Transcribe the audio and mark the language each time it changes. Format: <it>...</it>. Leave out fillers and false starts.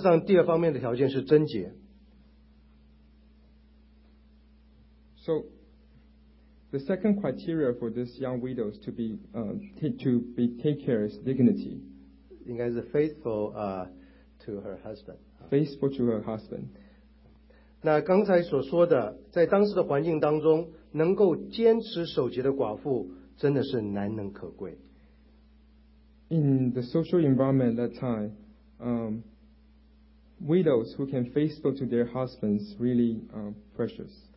<zh>寡妇记在册上第二方面的条件是贞洁。</zh> <en>So the second criteria for this young widows to be take care is dignity.</en> <zh>应该是</zh> <en>faithful to her husband. Faithful to her husband.</en> <zh>那刚才所说的在当时的环境当中能够坚持守节的寡妇真的是难能可贵。</zh> <en>In the social environment at that time, widows who can faithful to their husbands really precious.</en>